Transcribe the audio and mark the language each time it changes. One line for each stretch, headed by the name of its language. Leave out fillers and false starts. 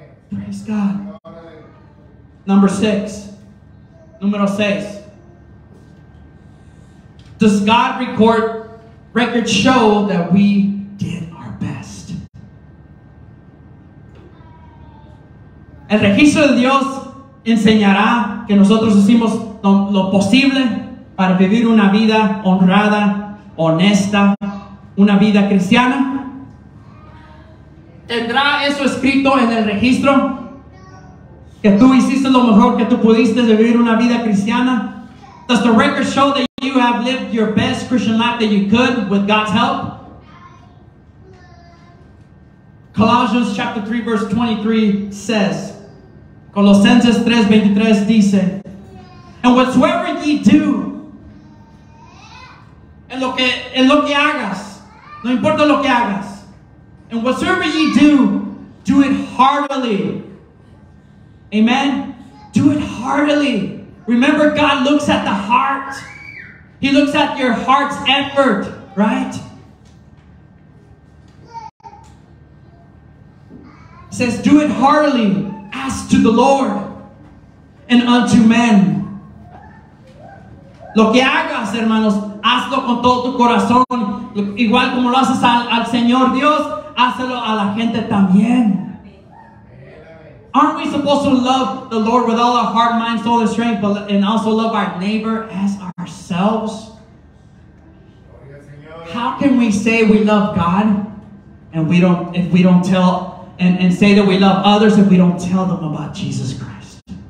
English: Praise God. Number six.
Spanish: Número seis.
English: Does God record show that we did our best?
Spanish: El registro de Dios enseñará que nosotros hicimos lo posible para vivir una vida honrada, honesta, una vida cristiana. ¿Tendrá eso escrito en el registro? Que tú hiciste lo mejor que tú pudiste de vivir una vida cristiana.
English: Does the record show that you have lived your best Christian life that you could with God's help? Colossians chapter 3 verse 23 says,
Spanish: Colosenses 3:23 dice,
English: and whatsoever ye do,
Spanish: en lo que hagas,
English: no importa lo que hagas, and whatsoever ye do, do it heartily. Amen? Do it heartily. Remember, God looks at the heart. He looks at your heart's effort, right? It says, do it heartily, as to the Lord and unto men.
Spanish: Lo que hagas, hermanos, hazlo con todo tu corazón. Igual como lo haces al Señor Dios, hazlo a la gente también.
English: Aren't we supposed to love the Lord with all our heart, mind, soul, and strength, but and also love our neighbor as ourselves? How can we say we love God and we don't, if we don't tell and say that we love others if we don't tell them about Jesus Christ?